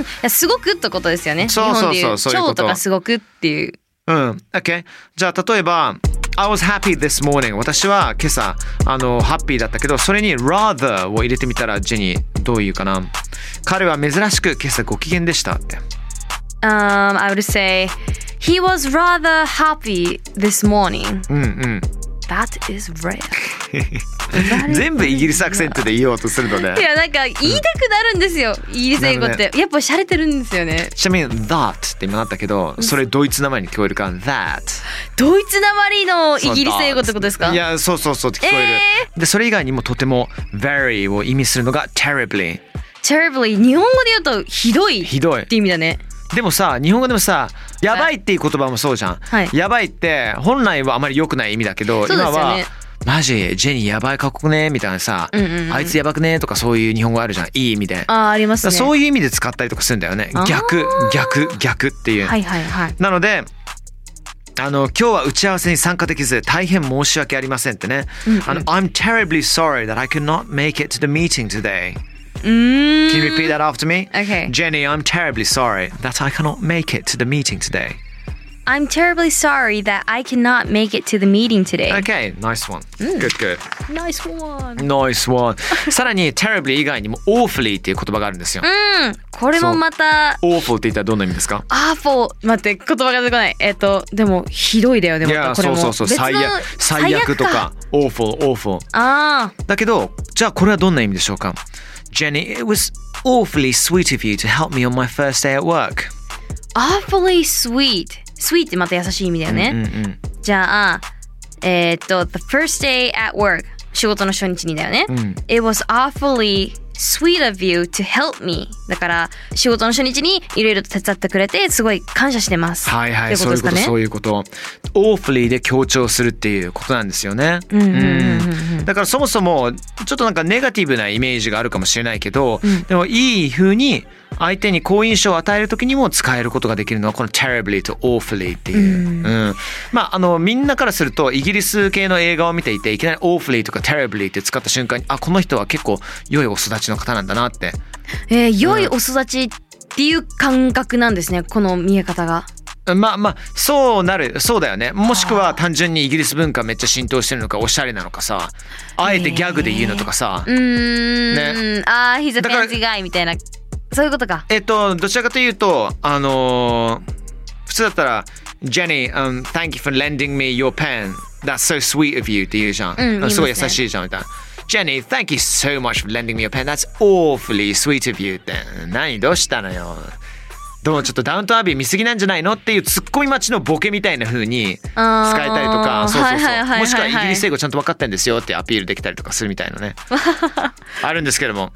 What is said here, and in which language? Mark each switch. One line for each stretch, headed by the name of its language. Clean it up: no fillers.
Japanese: いや、すごくってことですよね。そうそうそう、そういうこと。超とかすごくっていう。
English: Okay.
Japanese: じゃあ例えば、
English: I was happy this morning.
Japanese: 私は今朝ハッピーだったけど、それに rather を入れてみたらジェニーどう言うかな。彼は珍しく今朝ご機嫌でしたって。
English: I would say he was rather happy this morning. That is rare.
Japanese: 全部イギリスアクセントで言おうとするので、いや、なんか言いたくなるんですよ、イギリス英語って、ね、やっぱシャレてるんですよね。ちなみに that って今なったけど、それドイツ名前に聞こえるから that、ドイツ名前のイギリス英語ってことですか？いや、そうそうそうって聞こえる、でそれ以外にもとても very を意味するのが terribly。 terribly 日本語で言うとひどいって意味だね。でもさ、日本語でもさ、やばいっていう言葉もそうじゃん、はい、やばいって本来はあまり良くない意味だけど、ね、今はマジジェニーやばいかっこくねみたいなさ、うんうんうん、あいつやばくねとかそういう日本語あるじゃん、いい意味で。あ、ありますね。そういう意味で使ったりとかするんだよね。逆逆逆っていう、はいはいはい、なので、あの、今日は打ち合わせに参加できず大変申し訳ありませんってね、うんうん、
English: あの、 I'm terribly sorry that I could not make it to the meeting today. Can you repeat that after me? Okay. Jenny, I'm terribly sorry that I cannot make it to the meeting today. I'm terribly sorry that I cannot make it to the meeting today. Okay, nice one. Good, good. Nice one. Nice one.
Japanese: さらに terribly 以外にも awfully っていう言葉があるんですよ。うん、これもまた awful って言ったらどんな意味ですか？ awful、 待って、言葉が出てこない。でもひどいだよね。またこれも、そうそうそう、別の最悪、最悪とか awful、 awful。ああ。だけど、じゃあこれはどんな意味でしょうか？
English: Jenny, it was awfully sweet of you to help me on my first day at work. Awfully sweet.
Japanese: Sweet ってまた優しい意味だよね。うんうんうん、じゃあ、
English: the first day at work、
Japanese: 仕事の初日にだよね。うん、
English: It was awfully sweet of you to help me。
Japanese: だから仕事の初日にいろいろと手伝ってくれてすごい感謝してます。はいはい、そういうこと、そういうこと。awfully で強調するっていうことなんですよね。だからそもそもちょっとなんかネガティブなイメージがあるかもしれないけど、うん、でもいい風に相手に好印象を与えるときにも使えることができるのはこの terribly と awfully っていう、うんうん、まあ、あの、みんなからするとイギリス系の映画を見ていていきなり awfully とか terribly って使った瞬間に、あ、この人は結構良いお育ちの方なんだなって、良いお育ちっていう感覚なんですね、この見え方が。まあまあ、そうなる、そうだよね。もしくは単純にイギリス文化めっちゃ浸透してるのかおしゃれなのかさ、あえてギャグで言うのとかさ、ね、あー、
English: he's a fancy guy
Japanese: みたいな、そういうことか。どちらかというと、普通だったら
English: Jenny、thank you for lending me your pen. That's so sweet of you
Japanese: って言うじゃん、うん、すごい優しいじゃんみたいな。
English: Jenny, thank you so much for lending me your pen. That's awfully sweet of you
Japanese: って、何どうしたのよ、どうもちょっとダウントアビー見すぎなんじゃないのっていうツッコミ待ちのボケみたいな風に使えたりとか、そうそうそう、もしくはイギリス英語ちゃんと分かってんですよってアピールできたりとかするみたいなねあるんですけども、